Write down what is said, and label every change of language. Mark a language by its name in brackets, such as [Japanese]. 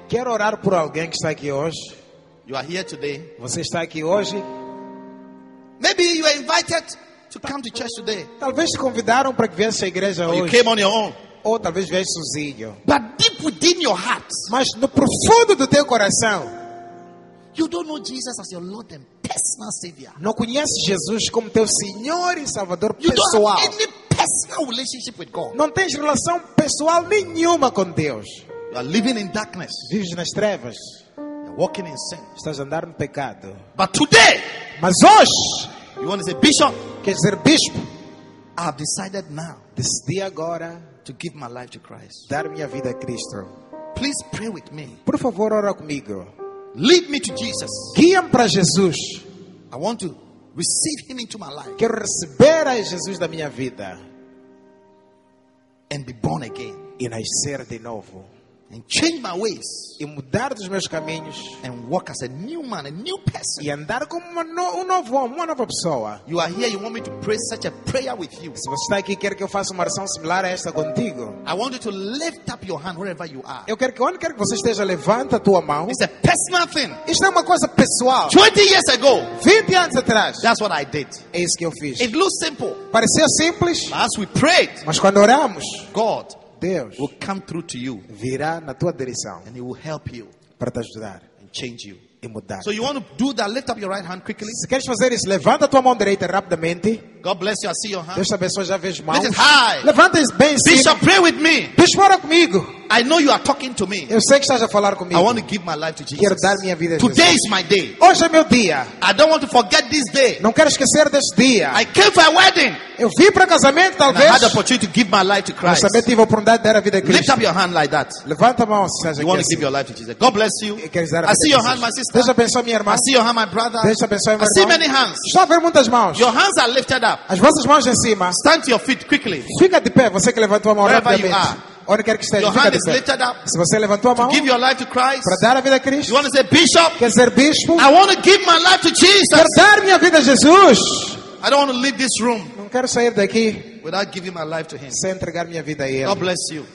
[Portuguese] Quero orar por alguém que está aqui hoje. [English] You are here today. [Portuguese] Você está aqui hoje. [English] Maybe you are invited to come to church today. [Portuguese] Talvez te convidaram para que viesse à igreja hoje. [English] Or you came on your own. [Portuguese] Ou talvez viesse sozinho. [English] But deep within your heart. [Portuguese] Mas no profundo do teu coração. [English] You don't know Jesus as your Lord and personal Savior. [Portuguese] Não conhece Jesus como teu Senhor e Salvador [English] you [Portuguese] pessoal. [English] Don't have any personal relationship with God. [Portuguese] Não tens relação pessoal nenhuma com Deus. [English] You are living in darkness. [Portuguese] Vives nas trevas. [English] You're walking in sin. [Portuguese] Estás a andar no pecado. [English] But today, [Portuguese] mas hoje, [English] you want to say, Bishop, [Portuguese] quer dizer bispo, [English] I've decided now, [Portuguese] decidi agora, [English] to give my life to Christ. [Portuguese] Dar minha vida a Cristo. [English] Please pray with me. [Portuguese] Por favor, ora comigo. [English] Lead me to Jesus. [Portuguese] Guia-me para Jesus. [English] I want to receive him into my life. [Portuguese] Quero receber a Jesus da minha vida. [English] And be born again. [Portuguese] E nascer de novo. [English] and change my ways, [Portuguese] e mudar dos meus caminhos, [English] and walk as a new man, a new person, [Portuguese] e andar como uma nova pessoa. [English] You are here, you want me to pray such a prayer with you. [Portuguese] Se você está aqui, quer que eu faça uma oração similar a esta contigo. [English] I want you to lift up your hand wherever you are. [Portuguese] Eu quero que onde quer que você esteja, levanta a tua mão. [English] It's a personal thing. [Portuguese] Isto é uma coisa pessoal. [English] 20 years ago, [Portuguese] 20 anos atrás, [English] that's what I did. [Portuguese] É isso que eu fiz. [English] It looks simple. [Portuguese] Parecia simples. [English] But as we prayed, [Portuguese] mas quando oramos, [English] God, [Portuguese] Deus, [English] will come through to you, [Portuguese] virá na tua direção, [English] and he will help you, [Portuguese] para te ajudar, [English] and change you, [Portuguese] e mudar. [English] So you want to do that? Lift up your right hand quickly. [Portuguese] Se queres fazer isso, levanta tua mão direita rapidamente. [English] God bless you. I see your hand. [Portuguese] Deus te abençoe. Já vejo mãos. [English] Lift it high. [Portuguese] Levanta isso bem. [English] Bishop, pray with me. [Portuguese] Bishop, ora comigo. [English] I know you are talking to me. [Portuguese] Eu sei que estás a falar comigo. [English] I want to give my life to Jesus. [Portuguese] Quero dar minha vida a Jesus. [English] Today is my day. [Portuguese] Hoje é meu dia. [English] I don't want to forget this day. [Portuguese] Não quero esquecer deste dia. [English] I came for a wedding. [Portuguese] Eu vim para casamento, talvez. [English] I had the opportunity to give my life to Christ. [Portuguese] Mas também tive a oportunidade de dar a vida a Cristo. [English] Lift up your hand like that. [Portuguese] Levanta a mão, se você quer [English] give your life to Jesus. God bless you. [Portuguese] Quero dar a vida. [English] I see your hand, my sister. [Portuguese] Deus abençoe minha irmã. [English] I see your hand, my brother. [Portuguese] Deus abençoe meu irmão. [English] I see many hands. [Portuguese] Estou a ver muitas mãos. [English] Your hands are lifted up. [Portuguese] As vossas mãos em cima. [English] Stand to your feet quickly. [Portuguese] Fica de pé, você que levantou a mão rapidamente. Onde quer que esteja, [English] your hand is lifted up. [Portuguese] Se você levantou a mão, [English] to give your life to Christ, [Portuguese] para dar a vida a Cristo. [English] You want to say, Bishop, [Portuguese] quer ser bispo? [English] I want to give my life to Jesus. [Portuguese] Quero dar minha vida a Jesus. [English] I don't want to leave this room. [Portuguese] Não quero sair daqui [English] without giving my life to him. [Portuguese] Sem entregar minha vida a Ele. [English] God bless you.